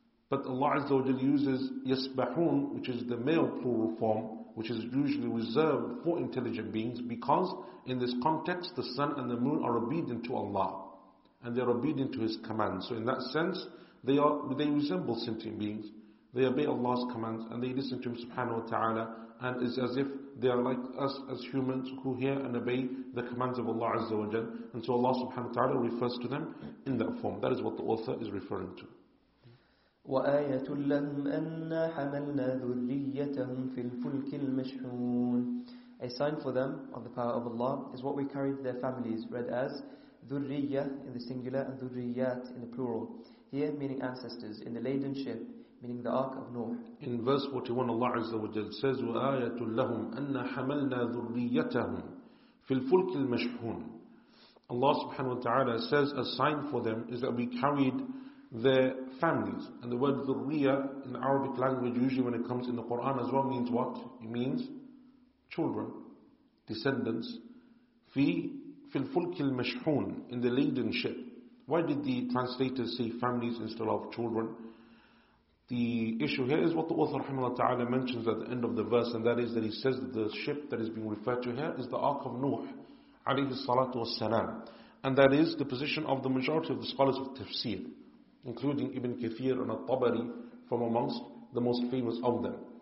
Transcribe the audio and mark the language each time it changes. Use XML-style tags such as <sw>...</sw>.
<en>But Allah Azza wa Jal uses yasbahun, which is the male plural form, which is usually reserved for intelligent beings, because in this context the sun and the moon are obedient to Allah and they are obedient to His commands. So in that sense they resemble sentient beings. They obey Allah's commands and they listen to Him subhanahu wa ta'ala, and it's as if they are like us as humans who hear and obey the commands of Allah Azza wa Jal. And so Allah subhanahu wa ta'ala refers to them in that form. That is what the author is referring to.</en> <ar>وآية لهم أنا حملنا ذريتهم في الفلك المشحون.</ar> <en>A sign for them of the power of Allah is what we carried their families, read as ذريّة in the singular and ذريّات in the plural. Here meaning ancestors, in the laden ship, meaning the ark of Noah. In verse 41, Allah Azza wa Jal says,</en> <ar>وآية لهم أنا حملنا ذريتهم في الفلك المشحون.</ar> <en>Allah subhanahu wa ta'ala says a sign for them is that we carried their families. And the word dhurriya in the Arabic language, usually when it comes in the Quran as well, means what? It means children, descendants.</en> <ar>في الفلك المشحون,</ar> <en>in the laden ship. Why did the translators say families instead of children? The issue here is what the author rahimahullah ta'ala mentions at the end of the verse, and that is that he says that the ship that is being referred to here is the Ark of Nuh alayhi salatu wassalam. And that is the position of the majority of the scholars of tafsir, including Ibn Kathir and Al-Tabari, from amongst the most famous of them.</en>